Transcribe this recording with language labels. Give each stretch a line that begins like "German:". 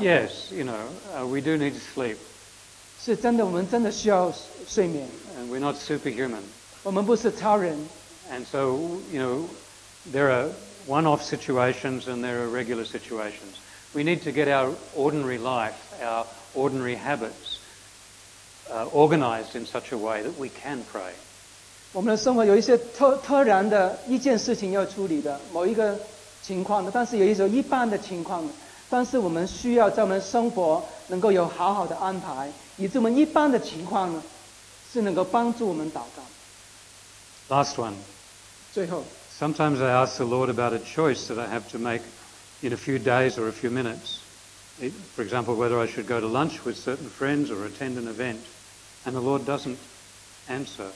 English: But yes, you know, we do need to sleep.
Chinese: 是真的，我们真的需要睡眠。
English: And we're not superhuman.
Chinese: 我们不是超人。
English: And so, you know, there are one-off situations and there are regular situations. We need to get our ordinary life, our ordinary habits organized in such a way that we can pray.
Chinese: 我们的生活有一些突然的一件事情要处理的，某一个情况的，但是有一些一般的情况，但是我们需要在我们生活能够有好好的安排，以致我们一般的情况呢，是能够帮助我们祷告。
English: Last one.
Chinese: 最后。
English: Sometimes I ask the Lord about a choice that I have to make in a few days or a few minutes. For example, whether I should go to lunch with certain friends or attend an event, and the Lord doesn't answer.